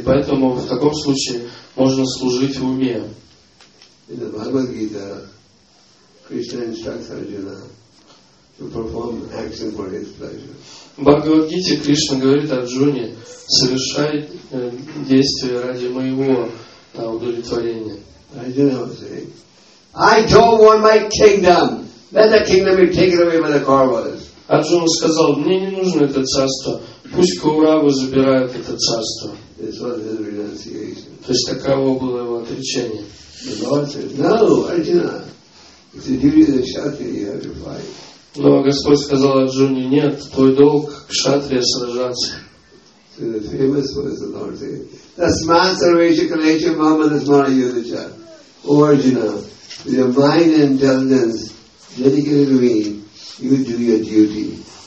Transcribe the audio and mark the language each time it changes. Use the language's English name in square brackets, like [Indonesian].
[Russian] Поэтому в таком случае можно служить в уме. [English] In the Bhagavad-gita, Krishna instructs Arjuna to perform action for his pleasure. [Russian] В Бхагавад-гите Кришна говорит Арджуне: совершай действия ради моего удовлетворения. [English] Arjuna would say, I don't want my kingdom. Let the kingdom be taken away by the Kauravas. [Russian] Арджуна сказал: мне не нужно это царство. Пусть Кауравы забирают это царство. [English] This was his renunciation. [Russian] То есть таково было его отречение. [English] The Lord said, "No, Arjuna. It's the duty of the kshatriya you have to fight." [Russian] Но Господь сказал Арджуне: "Нет, твой долг кшатрия сражаться." [English] So the famous words the Lord said, [Sanskrit] "Tasmat sarvesha kalesha mama tasmara yudhisha." [English] O Arjuna, with your mind and intelligence dedicated to me, you do your duty.